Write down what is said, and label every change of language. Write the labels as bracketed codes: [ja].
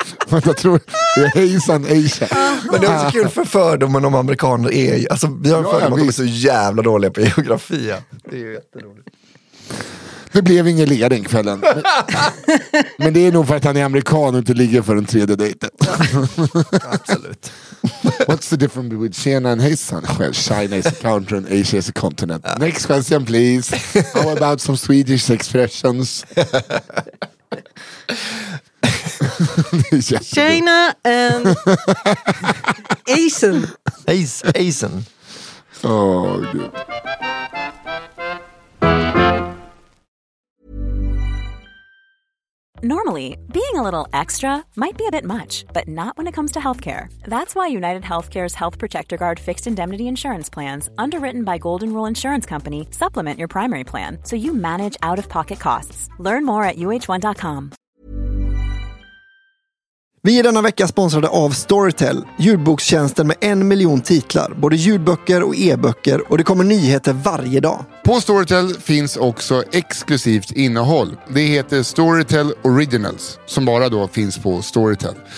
[sv] Jag tror det är hejsan Asia. Men det är också kul för fördomen om amerikaner är, alltså vi har en fördom att de är så jävla dåliga på geografi. Det är ju jätteroligt. Det blev ingen led den kvällen. Men det är nog för att han är amerikan och inte ligger för en tredje dejten. Absolut. [en] What's the difference between China and Hejsan? Well, China is a country and Asia is a continent. Next question please. How about some Swedish expressions? China and Asian. Asian. Oh, God. Normally, being a little extra might be a bit much, but not when it comes to healthcare. That's why United Healthcare's Health Protector Guard fixed indemnity insurance plans, underwritten by Golden Rule Insurance Company, supplement your primary plan so you manage out-of-pocket costs. Learn more at uh1.com. [sv] Vi är denna vecka sponsrade av Storytel, ljudbokstjänsten med 1 miljon titlar, både ljudböcker och e-böcker, och det kommer nyheter varje dag. På Storytel finns också exklusivt innehåll. Det heter Storytel Originals, som bara då finns på Storytel.